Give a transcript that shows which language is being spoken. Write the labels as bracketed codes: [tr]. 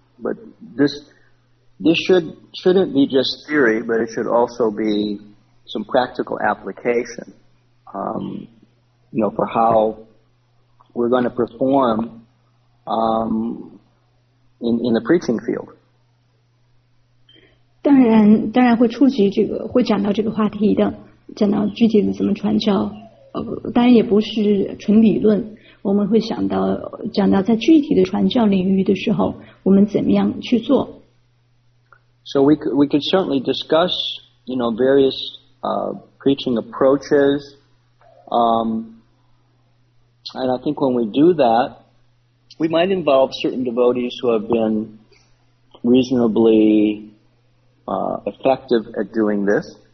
[en] But this shouldn't be just theory, but it should also be some practical application, you know, for how we're going to perform in the preaching field. [zh] 当然会触及这个，会讲到这个话题的，讲到具体的怎么传教。当然也不是纯理论，我们会想到讲到在具体的传教领域的时候，我们怎么样去做。 [en] So we could certainly discuss, you know, various preaching approaches. And I think when we do that, we might involve certain devotees who have been reasonably effective at doing this.